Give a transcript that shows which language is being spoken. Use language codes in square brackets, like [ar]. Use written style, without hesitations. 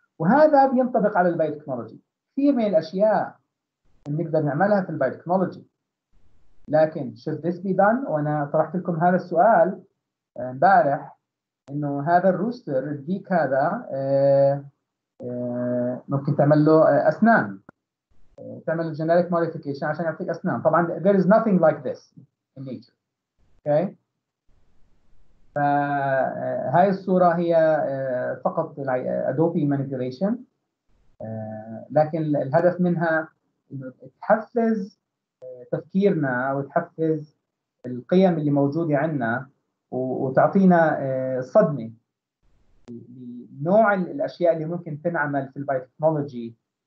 [ar] وهذا بينطبق على البيوتكنولوجي. كثير من الأشياء بنقدر نعملها في البيوتكنولوجي، لكن [en] should this be done؟ [ar] وأنا طرحت لكم هذا السؤال امبارح انه هذا الروستر الديك هذا ممكن تعمل له اسنان، تعمل له جينيتك موديفيكيشن عشان يعطيك اسنان. [en] طبعا there is nothing like this in nature. Okay. [ar] فهاي الصوره هي فقط ادوبي مانيبيوليشن، لكن الهدف منها انه تحفز تفكيرنا وتحفز القيم اللي موجوده عندنا وتعطينا صدمة لنوع الأشياء اللي ممكن تنعمل في البيوتكنولوجي.